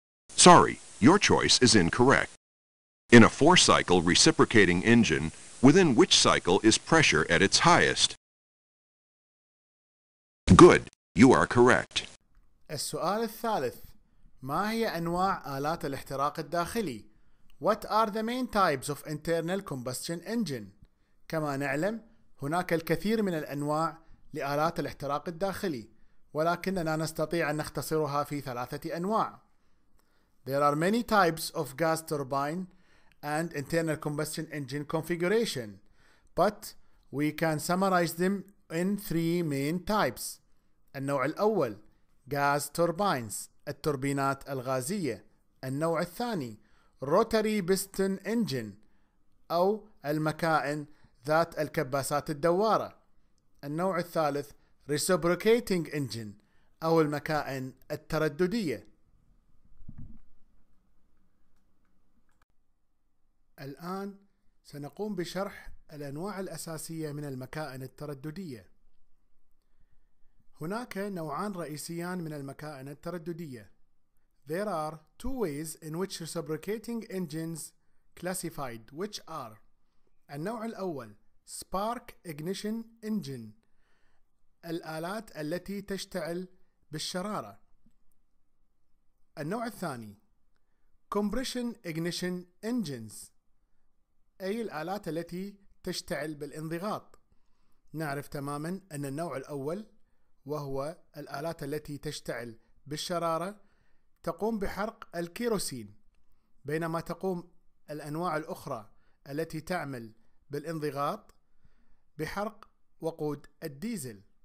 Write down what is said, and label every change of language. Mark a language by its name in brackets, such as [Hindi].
[English] Sorry, your choice is incorrect. In a four-cycle reciprocating engine, within which cycle is pressure at its highest? Good, you are correct. [Arabic] السؤال الثالث: ما هي أنواع آلات الاحتراق الداخلي؟ [English] What are the main types of internal combustion engine? [Arabic] كما نعلم، هناك الكثير من الأنواع لآلات الاحتراق الداخلي، ولكننا نستطيع أن نختصرها في ثلاثة أنواع. [English] There are many types of gas turbine and internal combustion engine configuration, but we can summarize them in three main types. [Arabic] النوع الأول gas turbines, التوربينات الغازية. النوع الثاني rotary piston engine, أو المكائن ذات الكباسات الدوارة. النوع الثالث reciprocating engine, أو المكائن الترددية. الآن سنقوم بشرح الأنواع الأساسية من المكائن الترددية. هناك نوعان رئيسيان من المكائن الترددية. [English] There are two ways in which reciprocating engines classified, which are: [Arabic] النوع الأول [English] spark ignition engine، [Arabic] الآلات التي تشتعل بالشرارة. النوع الثاني compression ignition engines، أي الآلات التي تشتعل بالانضغاط. نعرف تماما أن النوع الأول وهو الآلات التي تشتعل بالشرارة تقوم بحرق الكيروسين، بينما تقوم الأنواع الأخرى التي تعمل بالانضغاط بحرق وقود الديزل.